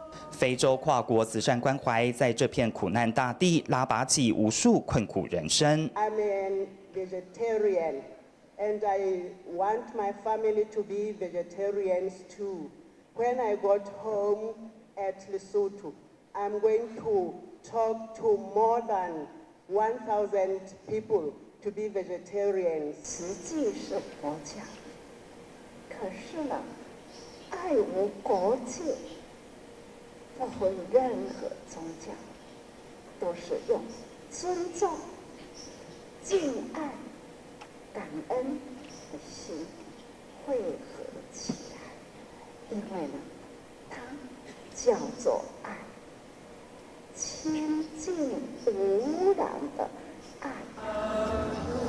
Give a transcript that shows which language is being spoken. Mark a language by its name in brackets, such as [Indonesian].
[Chinese] 非洲跨国慈善关怀在这片苦难大地拉拔起无数困苦人生。 [English] I'm a vegetarian, and I want my family to be vegetarians too. When I got home at Lesotho, I'm going to talk to more than 1,000 people to be vegetarians. [Chinese] 慈济是国家，可是呢，爱无国界。不分任何宗教，都是用尊重、敬爱、感恩的心汇合起来，因为呢，它叫做爱，清净无染的爱。